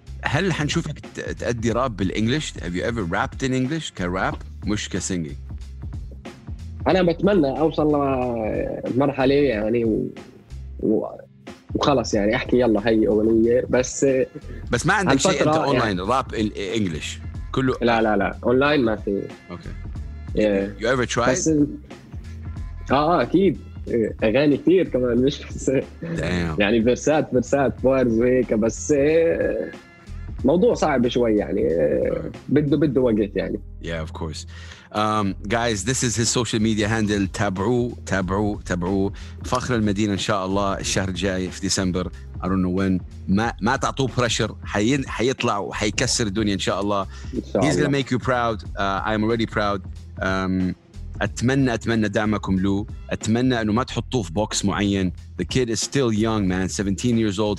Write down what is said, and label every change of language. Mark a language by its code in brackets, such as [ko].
[ar] هل حنشوفك تأدي راب بالإنجليش؟ [en] Have you ever rapped in English [ar] كراب مش كسينجي؟ أنا بتمنى أوصل لمرحلة يعني وخلص يعني أحكي يلا هاي أغنية. بس ما عندك شيء أنت أونلاين يعني راب إنجليش كله؟ لا لا لا أونلاين ما في. [en] Okay You ever tried؟ بس [ar] أكيد أغاني كتير كمان مش بس يعني فرسات بارز وهيك. بس موضوع صعب شوي يعني بده وقت يعني. [en] Yeah of course. Guys, this is his social media handle. [ar] تابعوا فخر المدينة إن شاء الله الشهر الجاي في ديسمبر. [en] I don't know when. [ar] ما تعطوه بريشر, حيطلع وحيكسر الدنيا إن شاء الله. [en] He's gonna make you proud. I'm already proud. [ar] أتمنى دعمكم له. أتمنى أنه ما تحطوه في بوكس معين. [en] The kid is still young man, 17 years old.